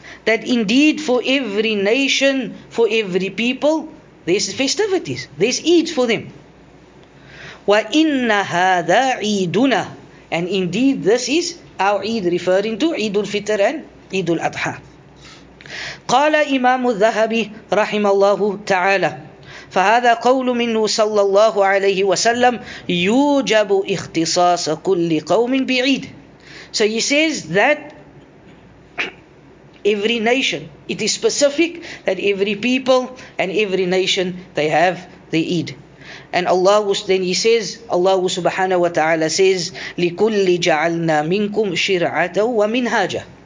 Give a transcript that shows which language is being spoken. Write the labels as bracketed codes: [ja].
[en] that indeed for every nation, for every people, there's festivities, there's Eid for them. [ar] وَإِنَّ هَذَا عِيدُنَا. [en] And indeed this is our Eid, referring to Eid al-Fitr and Eid al-Adha. [ar] قال إمام الذهبي رحمه الله تعالى فهذا قول منه صلى الله عليه وسلم يوجب اختصاص كل قوم بعيد. [en] So he says that every nation, it is specific that every people and every nation, they have the Eid. And Allah, then he says, Allah subhanahu wa ta'ala says, [ar] لِكُلِّ جَعَلْنَا مِنْكُمْ شِرْعَةً وَمِنْهَاجًا.